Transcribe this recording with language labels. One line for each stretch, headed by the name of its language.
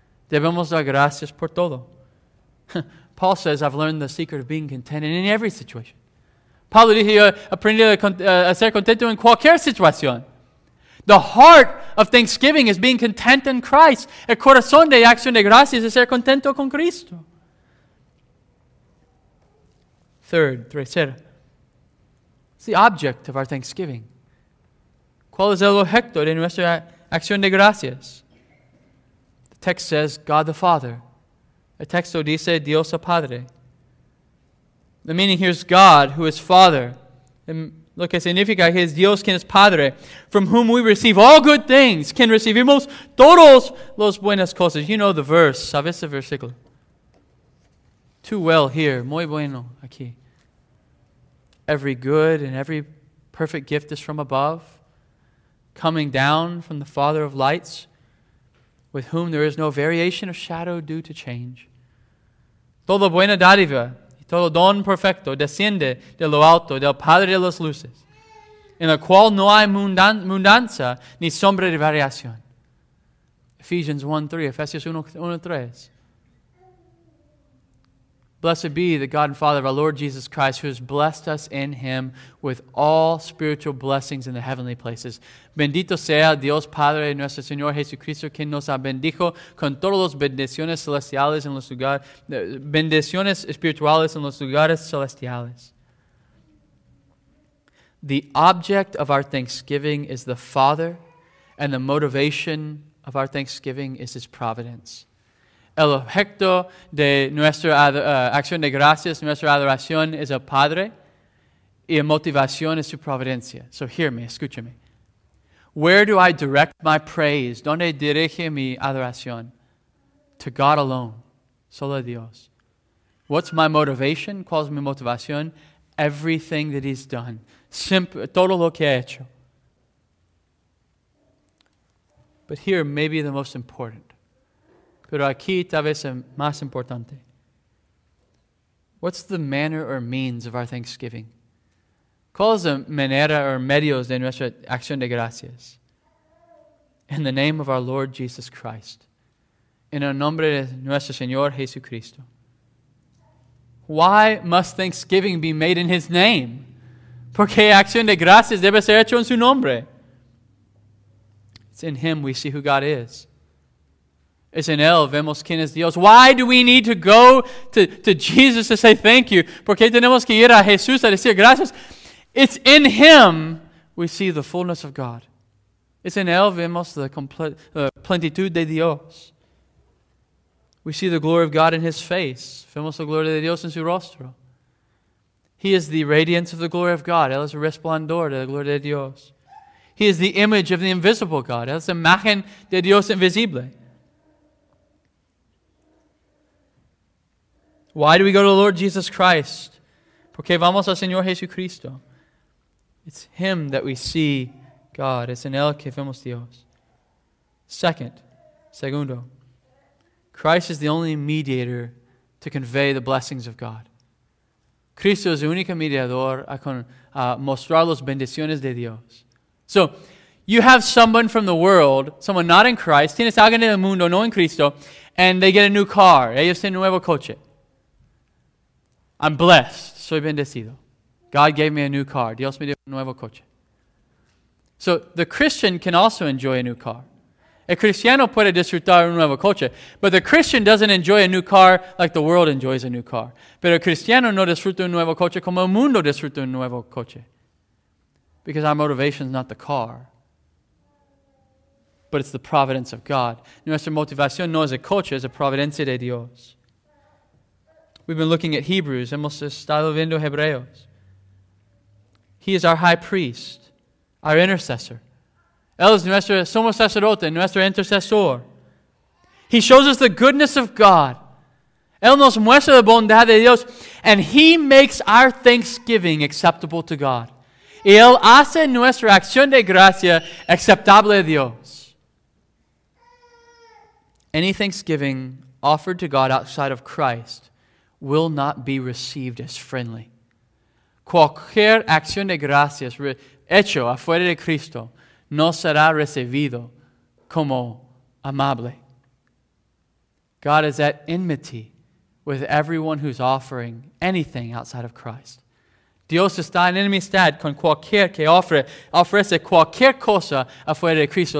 Spanish: Debemos dar gracias por todo.
English: Paul says, I've learned the secret of being content in every situation.
Spanish: Pablo dice, yo aprendí a ser contento en cualquier situación.
English: The heart of thanksgiving is being content in Christ.
Spanish: El corazón de acción de gracias es ser contento con Cristo.
English: Third,
Spanish: tercera.
English: It's the object of our thanksgiving.
Spanish: ¿Cuál es el objeto de nuestra acción de gracias?
English: The text says, God the Father.
Spanish: El texto dice, Dios el Padre.
English: The meaning here is God, who is Father.
Spanish: And lo que significa que es Dios quien es Padre,
English: from whom we receive all good things,
Spanish: quien recibimos todos los buenas cosas.
English: You know the verse,
Spanish: ¿sabes el versículo?
English: Too well here,
Spanish: muy bueno aquí.
English: Every good and every perfect gift is from above, coming down from the Father of lights, with whom there is no variation of shadow due to change.
Spanish: Todo buena dádiva, todo don perfecto, desciende de lo alto, del Padre de las luces, en el cual no hay mudanza ni sombra de variación.
English: Ephesians 1:3, Efesios 1:3. Blessed be the God and Father of our Lord Jesus Christ, who has blessed us in Him with all spiritual blessings in the heavenly places.
Spanish: Bendito sea Dios Padre nuestro Señor Jesucristo, quien nos ha bendijo con todas las bendiciones celestiales en los lugares, bendiciones espirituales en los lugares celestiales.
English: The object of our thanksgiving is the Father, and the motivation of our thanksgiving is His providence.
Spanish: El objeto de nuestra acción de gracias, nuestra adoración, es el Padre. Y la motivación es su providencia.
English: So hear me, escúchame. Where do I direct my praise?
Spanish: ¿Dónde dirige mi adoración?
English: To God alone.
Spanish: Solo a Dios.
English: What's my motivation?
Spanish: ¿Cuál es mi motivación?
English: Everything that He's done.
Spanish: Todo lo que ha hecho.
English: But here, maybe the most important.
Spanish: Pero aquí tal vez es más importante.
English: What's the manner or means of our thanksgiving?
Spanish: ¿Cuál es la manera o medios de nuestra acción de gracias?
English: In the name of our Lord Jesus Christ.
Spanish: En el nombre de nuestro Señor Jesucristo.
English: Why must thanksgiving be made in His name?
Spanish: Porque acción de gracias debe ser hecho en su nombre.
English: It's in Him we see who God is. It's in
Spanish: Él vemos quién es Dios.
English: Why do we need to go to Jesus to say thank you?
Spanish: Porque tenemos que ir a Jesús a decir gracias.
English: It's in Him we see the fullness of God. It's in
Spanish: Él vemos la plenitud de Dios.
English: We see the glory of God in His face.
Spanish: Vemos la gloria de Dios en su rostro.
English: He is the radiance of the glory of God.
Spanish: Él es el resplandor de la gloria de Dios.
English: He is the image of the invisible God.
Spanish: Él es la imagen de Dios invisible.
English: Why do we go to the Lord Jesus Christ?
Spanish: Porque vamos al Señor Jesucristo.
English: It's Him that we see God.
Spanish: Es en Él que vemos Dios. Segundo.
English: Christ is the only mediator to convey the blessings of God.
Spanish: Cristo es el único mediador a mostrar las bendiciones de Dios.
English: So, you have someone from the world, someone not in Christ,
Spanish: tienes alguien del mundo, no en Cristo,
English: and they get a new car.
Spanish: Ellos tienen nuevo coche.
English: I'm blessed.
Spanish: Soy bendecido.
English: God gave me a new car.
Spanish: Dios me dio un nuevo coche.
English: So, the Christian can also enjoy a new car.
Spanish: El cristiano puede disfrutar un nuevo coche,
English: but the Christian doesn't enjoy a new car like the world enjoys a new car.
Spanish: Pero el cristiano no disfruta un nuevo coche como el mundo disfruta un nuevo coche.
English: Because our motivation is not the car, but it's the providence of God.
Spanish: Nuestra motivación no es el coche, es la providencia de Dios.
English: We've been looking at Hebrews.
Spanish: Hemos estado viendo Hebreos.
English: He is our high priest, our intercessor.
Spanish: Él es nuestro sumo sacerdote, nuestro intercesor.
English: He shows us the goodness of God.
Spanish: Él nos muestra la bondad de Dios.
English: And He makes our thanksgiving acceptable to God.
Spanish: Y Él hace nuestra acción de gracia aceptable a Dios.
English: Any thanksgiving offered to God outside of Christ will not be received as friendly.
Spanish: Cualquier acción de gracias hecho afuera de Cristo no será recibido como amable.
English: God is at enmity with everyone who's offering anything outside of Christ.
Spanish: Dios está en enemistad con cualquier que ofrece cualquier cosa afuera de Cristo.